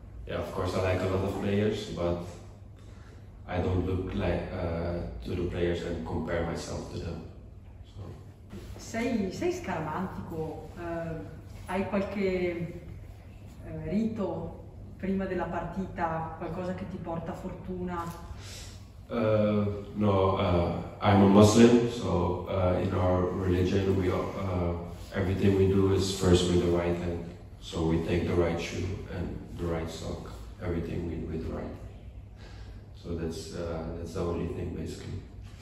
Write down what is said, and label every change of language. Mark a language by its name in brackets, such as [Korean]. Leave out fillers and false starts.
[English] Of course I like a lot of players, but I don't look like to the players and compare myself to them. So. [Italian] Sei scaramantico? Hai qualche rito prima della partita, qualcosa che ti porta fortuna? [English] No, I'm a Muslim, so in our religion everything we do is first with the right hand. So we take the right shoe and the right sock, everything with right. So that's the only thing basically.